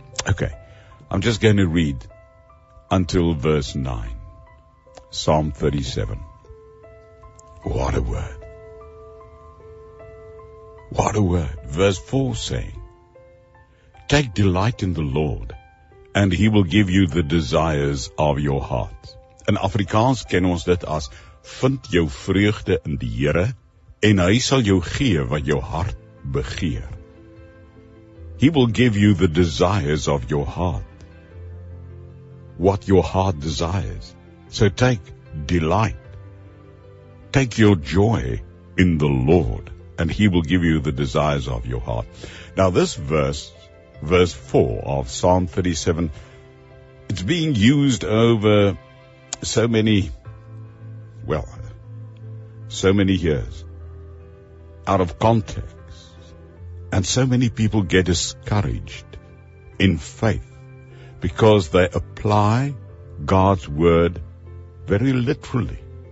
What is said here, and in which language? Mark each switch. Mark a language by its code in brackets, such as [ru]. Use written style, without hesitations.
[en] Okay, I'm just going to read until verse 9. Psalm 37. What a word. What a word. Verse 4 saying, take delight in the Lord, and He will give you the desires of your heart. [af] In Afrikaans ken ons dit as, vind jou vreugde in die Here, en Hy sal jou gee wat jou hart begeer. [en] He will give you the desires of your heart, what your heart desires. So take delight, take your joy in the Lord, and He will give you the desires of your heart. Now this verse, verse 4 of Psalm 37, it's being used over so many years, out of context, and so many people get discouraged in faith because they apply God's word very literally